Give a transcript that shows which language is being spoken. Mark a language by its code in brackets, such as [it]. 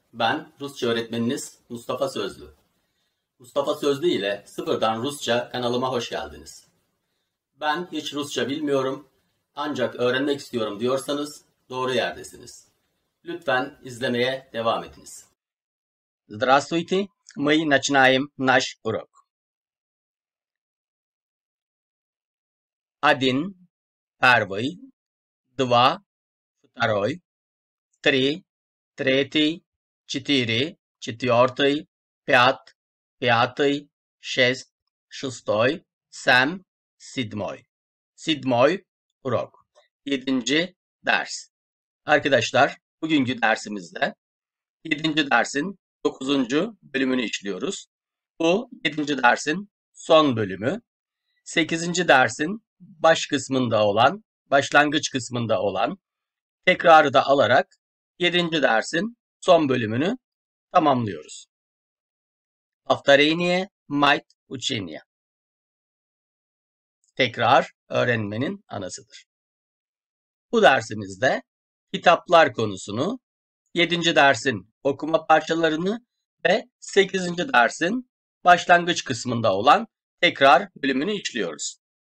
[tr] Ben Rusça öğretmeniniz Mustafa Sözlü. Mustafa Sözlü ile sıfırdan Rusça kanalıma hoş geldiniz. Ben hiç Rusça bilmiyorum ancak öğrenmek istiyorum diyorsanız doğru yerdesiniz. Lütfen izlemeye devam ediniz. [ru] Здравствуйте, мы начинаем наш урок. Один, первый, два, второй, три, третий, четыре, четвертый, пятый, шестой, седьмой. Седьмой урок. [tr] Yedinci ders. Arkadaşlar, bugünkü dersimizde 7. dersin 9. bölümünü işliyoruz. Bu 7. dersin son bölümü. 8. dersin başlangıç kısmında olan tekrarı da alarak 7. dersin son bölümünü tamamlıyoruz. [ru] Повторение мать учения. [tr] Tekrar öğrenmenin anasıdır. Bu dersimizde kitaplar konusunu, 7. dersin okuma parçalarını ve 8. dersin başlangıç kısmında olan tekrar bölümünü işliyoruz.